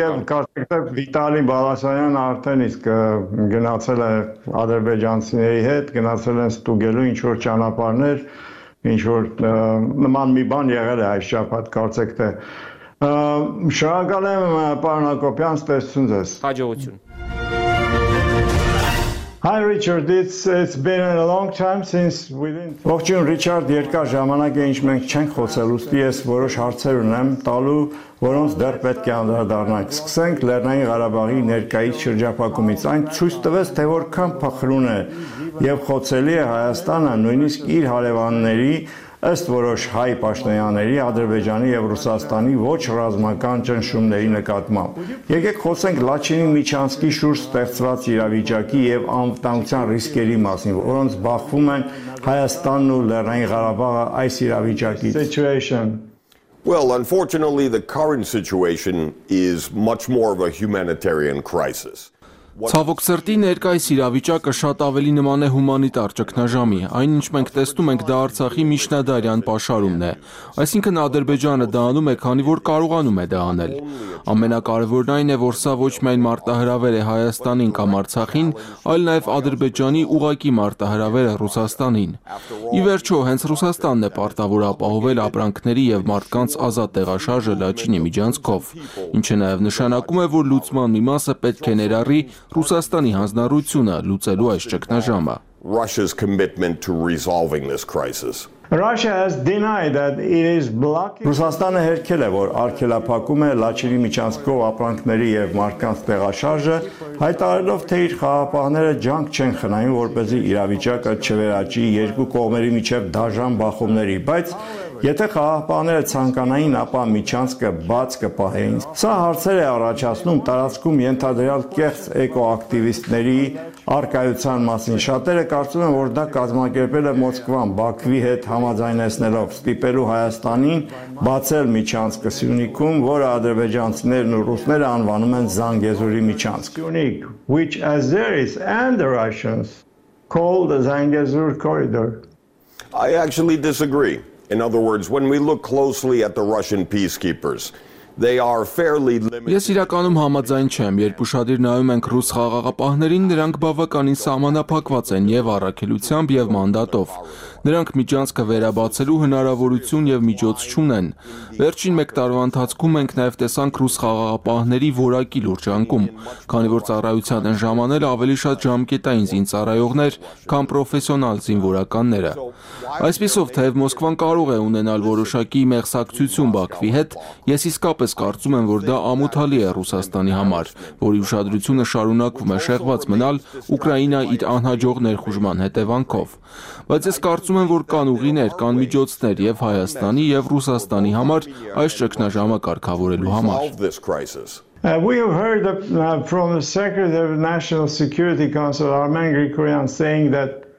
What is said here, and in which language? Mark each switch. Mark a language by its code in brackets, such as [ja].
[hy] Եվ կարծեքը Վիտալի Բալասանյանը արդեն իսկ գնացել է ադրբեջանցիների հետ, գնացել են ստուգելու ինչ որ ճանապարհներ, ինչ որ նման մի բան եղել է այս շաբաթ, կարծեքը շնորհակալ եմ, պարոն Հակոբյան, տեսնում ձեզ։ Հաջողություն։ [en] Hi Richard, it's been a long time since we didn't. [hy] Ողջույն Ռիչարդ, երկար ժամանակ է ինչ մենք չենք խոսել, ուստի ես որոշ հարցեր ունեմ տալու, որոնց դեռ պետք է անդրադառնանք։ Սկսենք Լեռնային Ղարաբաղի ներկայիս շրջապակումից։ Այն ցույց տվեց, թե որքան փխրուն է եւ խոցելի է Հայաստանը, նույնիսկ իր հարևանների ըստ որոշ հայ պաշտոնյաների, Ադրբեջանի եւ Ռուսաստանի ոչ ռազմական ճնշումների նկատմամբ։ Եկեք խոսենք Լաչինի միջանցքի շուրջ ստեղծված իրավիճակի եւ անվտանգության ռիսկերի մասին, որոնց բախվում են Հայաստանն ու Լեռնային Ղարաբաղը այս իրավիճակից։ [en] Situation. Well, unfortunately, the current situation is much more of a humanitarian crisis. [hy] Ցավոք սրտի, ներկայիս իրավիճակը շատ ավելի նման է հումանիտար ճգնաժամի, այնինչ մենք տեսնում ենք, դա Արցախի միջնադարյան պաշարումն է, այսինքն Ադրբեջանը դա անում է, քանի որ կարողանում է դա անել։ Ամենակարևորն այն է, որ սա ոչ միայն մարտահրավեր է Հայաստանին կամ Արցախին, այլ նաև Ադրբեջանի ուղակի մարտահրավեր է Ռուսաստանին։ Ի վերջո, հենց Ռուսաստանն է պարտավոր ապահովել ապրանքների և մարդկանց ազատ տեղաշարժը Լաչինի միջանցքով, ինչը նաև նշանակում է, որ լուծման մի մասը պետք է ներառի Ռուսաստանի հանձնարարությունը լուծելու այս ճգնաժամը. [en] Russia's commitment to resolving this crisis. Russia has denied that it is blocking. [hy] Ռուսաստանը հերքել է, որ արգելափակում է Լաչինի միջանցքով ապրանքների եւ մարդկանց տեղաշարժը, հայտարարելով, թե իր խաղապահները ջանք չեն խնայում, որպեսզի իրավիճակը չվերաճի երկու կողմերի միջև դաժան բախումների, բայց եթե խաղապահները ցանկանային, ապա միջանցքը բաց կպահեին։ Սա հարցեր է առաջացնում տարածքում ենթադրյալ կեղծ էկոակտիվիստների առկայության մասին։ Շատերը կարծում են, որ դա կազմակերպել է Մոսկվան, Բաքվի հետ համաձայնեցնելով ստիպելու Հայաստանին բացել միջանցքը Սյունիքում, որը ադրբեջանցիներն ու ռուսները անվանում են Զանգեզուրի միջանցք. [en] Սյունիք, which Azeris and the Russians call the Zangezur corridor. I actually disagree. In other words, when we look closely at the Russian peacekeepers, They are fairly limited. [hy] Ես իրականում համաձայն չեմ, երբ ուշադիր նայում ենք ռուս խաղաղապահներին, նրանք բավականին սահմանափակված են եւ առաքելությամբ եւ մանդատով։ Նրանք միջանցքը վերաբացելու հնարավորություն եւ միջոց չունեն։ Վերջին 1 տարվա ընթացքում ենք նաեւ տեսանք ռուս խաղաղապահների որակի լուրջանկում, քանի որ ծառայության են ժամանել ավելի շատ ժամկետային զինծառայողներ, քան պրոֆեսիոնալ զինվորականները։ Այսպիսով, թեև Մոսկվան կարող է ունենալ որոշակի մեղսակցություն Բաքվի հետ, ես իսկապես կարծում եմ, որ դա ամոթալի է Ռուսաստանի համար, որի ուշադրությունը շարունակվում է շեղված մնալ Ուկրաինայի իր անհաջող ներխուժման հետևանքով։ Բայց ես կարծում եմ, որ կան ուղիներ, կան միջոցներ եւ Հայաստանի եւ Ռուսաստանի համար այս ճգնաժամը կարգավորելու համար։ [en] We have heard from the Secretary of National Security Council Armen Grigoryan saying that